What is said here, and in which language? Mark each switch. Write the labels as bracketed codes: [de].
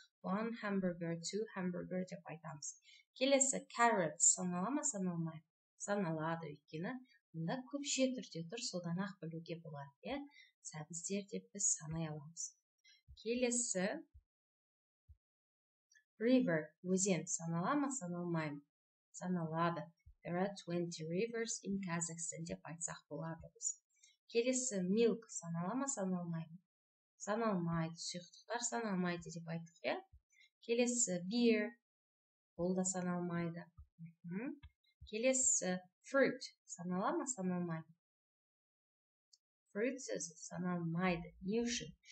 [en] One hamburger, two hamburger [kk] деп айтамыз. Келесі, carrots. Саналама, саналмай. Саналады, өйткені. Мұнда көпше түрде тұр, содан ақ білуге болады. Сәбіздер деп біз санай аламыз. Келесі, river. Өзен. Саналама, саналмай. Саналады. [en] There are 20 rivers in Kazakhstan [kk] деп айтсақ болады. Келесі, milk. Саналама, саналмай. Саналмайды, сұйықтықтар саналмайды деп айттық, иә. Келесі, beer, ол да саналмайды. Келесі, fruit, санала ма, саналмайды. Fruit сөзі саналмайды. Не үшін?